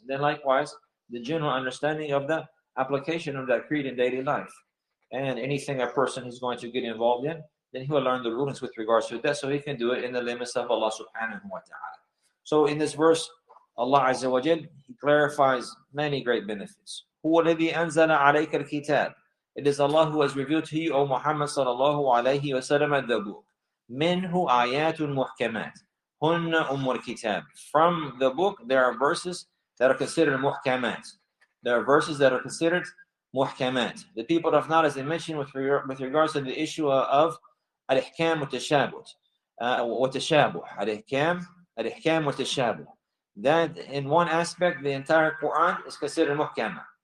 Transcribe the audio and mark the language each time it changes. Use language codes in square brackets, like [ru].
[en] And then likewise, the general understanding of the application of that creed in daily life. And anything a person is going to get involved in, then he will learn the rulings with regards to that, so he can do it in the limits of Allah subhanahu wa ta'ala. So in this verse, Allah azza wa jal, he clarifies many great benefits. Who [ar] الَّذِي أَنزَلَ عَلَيْكَ الْكِتَابِ. [en] It is Allah who has revealed to you, O Muhammad sallallahu alayhi wa sallam, the book. [ar] مِنْهُ آيَاتٌ مُحْكَمَاتٌ هُنَّ أُمُّ الْكِتَابِ. [en] From the book, there are verses that are considered muhkamat. There are verses that are considered muhkamat. The people of knowledge, they mentioned with regards to the issue of al-ihkam wa tashabut. Al-ihkam wa tashabut. That in one aspect, the entire Quran is considered muhkamah.